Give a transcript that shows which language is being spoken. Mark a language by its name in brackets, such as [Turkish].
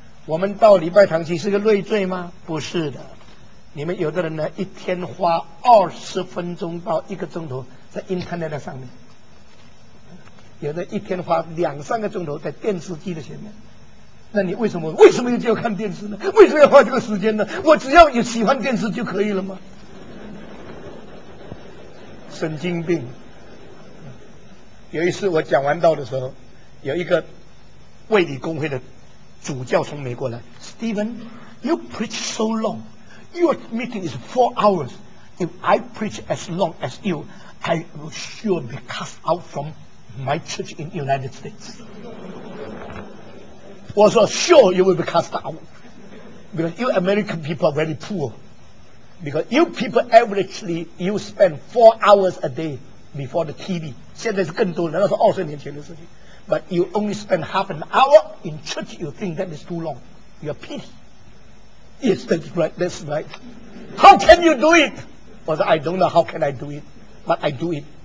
[Chinese] 我们到礼拜堂去是个累赘吗？不是的。你们有的人呢，一天花20分钟到一个钟头在 internet 上面，有的一天花2-3个钟头在电视机的前面。那你为什么就要看电视呢？为什么要花这个时间呢？我只要有喜欢电视就可以了吗？神经病。有一次我讲完道的时候，有一个卫理公会的主教从美国来， [English] Stephen, you preach so long, your meeting is 4 hours, if I preach as long as you, I will sure be cast out from my church in United States. [Chinese] 我说 [English] sure you will be cast out, because you American people are very poor, because you people averagely, you spend 4 hours a day before the TV. [Chinese] 现在是更多了，那是20年前的事情。 [English] But you only spend half an hour in church, you think that is too long. You are pity. Yes, that's right, that's right. How can you do it? I said, I don't know how can I do it, but I do it.